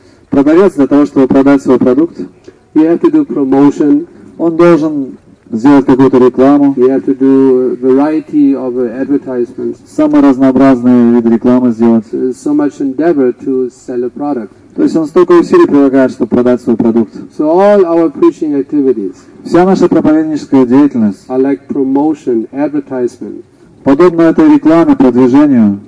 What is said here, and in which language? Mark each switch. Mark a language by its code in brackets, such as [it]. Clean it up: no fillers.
[ru] продавец для того, чтобы продать свой продукт, [en] you have to do promotion. [ru] Он должен сделать какую-то рекламу. [en] You have to do a variety of advertisements. [ru] Самые разнообразные виды рекламы сделать. [en] So much endeavor to sell a product. [ru] То есть он столько усилий прилагает, чтобы продать свой продукт. [en] So all our preaching activities. [ru] Вся наша проповедническая деятельность. [en] Are like promotion, advertisement. [ru] Подобно этой рекламе, продвижению